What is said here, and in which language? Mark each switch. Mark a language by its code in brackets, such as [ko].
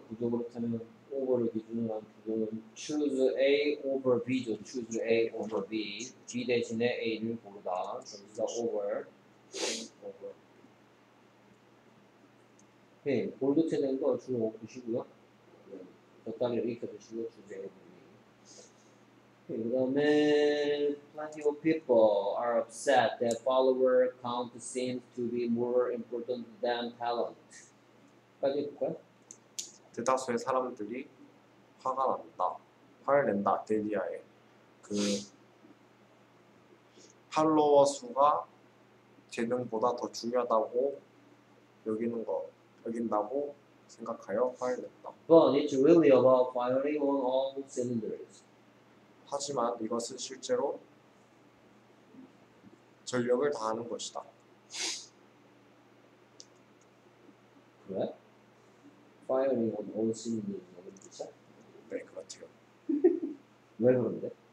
[ko] 구조 그렇다면. over를 기준으로 한 구조는 [en] choose A over B [ko] 죠. [en] choose A over B. [ko] G 대신에 A를 고르다. 그래서 over. over. 네, 볼드체 된 거 주로 보시고요. 적당히 읽어주시고 [en] choose A over B. [ko] 네, 그 다음에 [en] plenty of people are upset that follower count seems to be more important than talent. [ko] 까지 볼까요? 대다수의 사람들이 화가 난다, 화를 낸다, 데리아에 그 팔로워 수가 재능보다 더 중요하다고 여기는 거 여긴다고 생각하여 화를 낸다. [en] But it's really about firing on all cylinders. [ko] 하지만 이것은 실제로 전력을 다하는 것이다. 그래? [en] firing on all cylinders [ko] 라는 뜻이야? 네, 그렇죠. 왜 그런데?